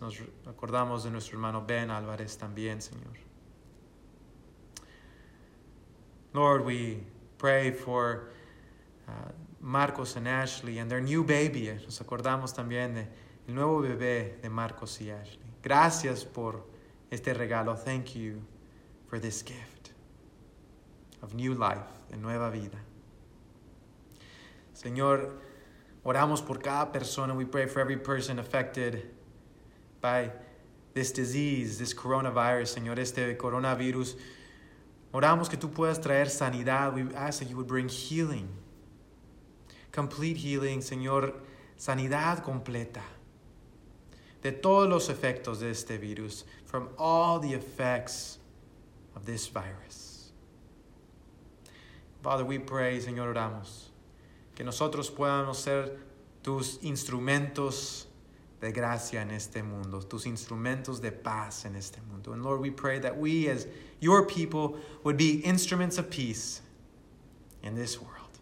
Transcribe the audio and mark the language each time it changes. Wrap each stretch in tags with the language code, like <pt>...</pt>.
<es>Nos acordamos de nuestro hermano Ben Álvarez también, Señor.</es> <en>Lord, we pray for Marcos and Ashley and their new baby.</en> <es>Nos acordamos también del nuevo bebé de Marcos y Ashley. Gracias por este regalo.</es> <en>Thank you for this gift of new life,</en> <es>de nueva vida. Señor, oramos por cada persona.</es> <en>We pray for every person affected by this disease, this coronavirus,</en> <es>Señor, este coronavirus. Oramos que tú puedas traer sanidad.</es> <en>We ask that you would bring healing. Complete healing,</en> <es>Señor. Sanidad completa. De todos los efectos de este virus.</es> <en>From all the effects of this virus. Father, we pray,</en> <es>Señor, oramos. Que nosotros podamos ser tus instrumentos de gracia en este mundo. Tus instrumentos de paz en este mundo.</es> <en>And Lord, we pray that we as your people would be instruments of peace in this world.</en>